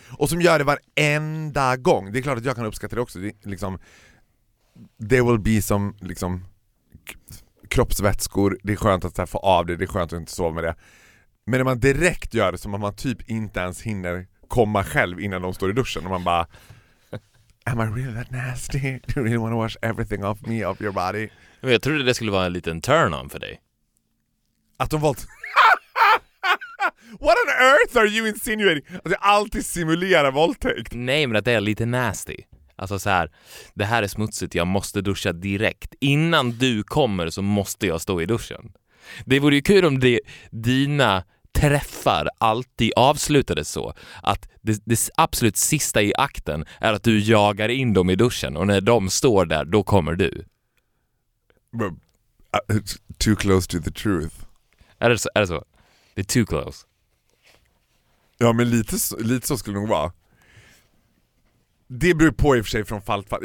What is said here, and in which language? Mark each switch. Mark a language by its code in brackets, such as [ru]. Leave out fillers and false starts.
[sv] Och som gör det varenda gång. Det är klart att jag kan uppskatta det också. Det är, liksom, [en] there will be [sv] som liksom kroppsvätskor. Det är skönt att så här, få av det. Det är skönt att inte sova med det. Men när man direkt gör det som att man typ inte ens hinner komma själv innan de står i duschen. Och man bara... [en] Am I really that nasty? Do you really want to wash everything off me, off your body? [sv] Men jag trodde det skulle vara en liten [en] turn on [sv] för dig. Att de valt... [en] What on earth are you insinuating? [sv] Att jag alltid simulerar våldtäkt. Nej, men att det är lite nasty. Alltså så här, det här är smutsigt. Jag måste duscha direkt. Innan du kommer så måste jag stå i duschen. Det vore ju kul om det, dina träffar alltid avslutades så. Att det absolut sista i akten är att du jagar in dem i duschen. Och när de står där, då kommer du. [en] But, too close to the truth. [sv] Är det så? Det är [en] too close. [sv] Ja, men lite så skulle det nog vara. Det beror på i och för sig från fall till fall.